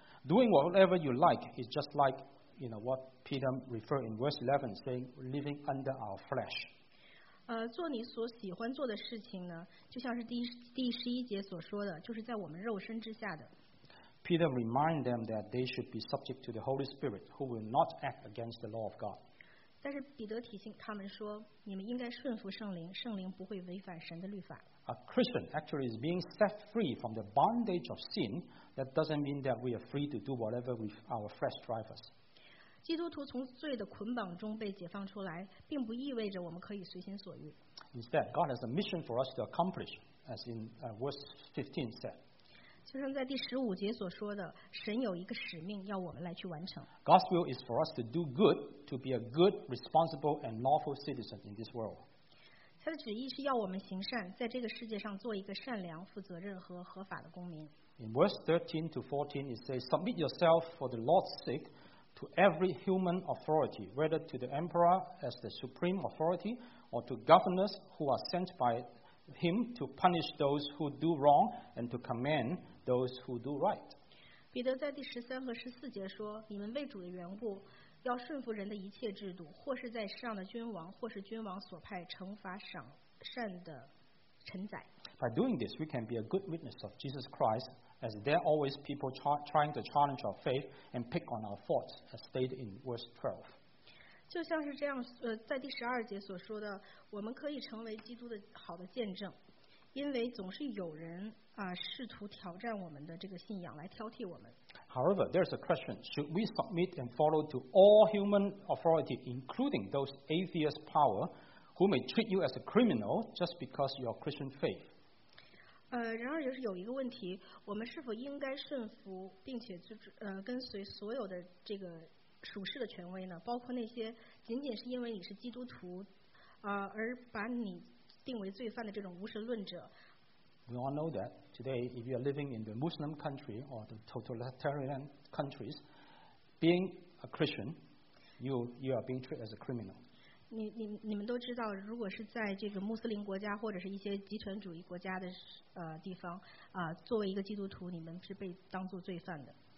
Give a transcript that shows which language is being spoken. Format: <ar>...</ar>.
<en>Doing whatever you like is just like, you know, what Peter referred in verse 11, saying living under our flesh.</en> <zh>做你所喜欢做的事情呢，就像是第十一节所说的，就是在我们肉身之下的。</zh> <en>Peter reminded them that they should be subject to the Holy Spirit, who will not act against the law of God.</en> <zh>但是彼得提醒他们说，你们应该顺服圣灵，圣灵不会违反神的律法。</zh> <en>A Christian actually is being set free from the bondage of sin. That doesn't mean that we are free to do whatever with our flesh drives us.</en> <zh>基督徒从罪的捆绑中被解放出来，并不意味着我们可以随心所欲。</zh> <en>Instead, God has a mission for us to accomplish, as in verse 15 said.</en> <zh>就像在第十五节所说的，神有一个使命要我们来去完成。</zh> <en>God's will is for us to do good, to be a good, responsible, and lawful citizen in this world.</en> <zh>他的旨意是要我们行善，在这个世界上做一个善良、负责任和合法的公民。</zh> <en>In verse 13 to 14, it says, "Submit yourself for the Lord's sake." To every human authority, whether to the emperor as the supreme authority or to governors who are sent by him to punish those who do wrong and to command those who do right.</en> <zh>彼得在第十三和十四节说，你们为主的缘故要顺服人的一切制度，或是在世上的君王，或是君王所派惩罚赏善的臣宰。</zh> <en>By doing this, we can be a good witness of Jesus Christ, as there are always people trying to challenge our faith and pick on our faults, as stated in verse 12.</en> <zh>就像是这样，在第十二节所说的，我们可以成为基督的好的见证，因为总是有人试图挑战我们的这个信仰，来挑剔我们。</zh> <en>However, there's a question: should we submit and follow to all human authority, including those atheist power, who may treat you as a criminal just because you're Christian faith?</en> <zh>然而就是有一个问题：我们是否应该顺服并且跟随所有的这个属世的权威呢？包括那些仅仅是因为你是基督徒而把你定为罪犯的这种无神论者。</zh> <en>We all know that today, if you are living in the Muslim country or the totalitarian countries, being a Christian, you are being treated as a criminal.</en> <zh>你们都知道，如果是在这个穆斯林国家或者是一些极权主义国家的地方作为一个基督徒，你们是被当作罪犯的。</zh>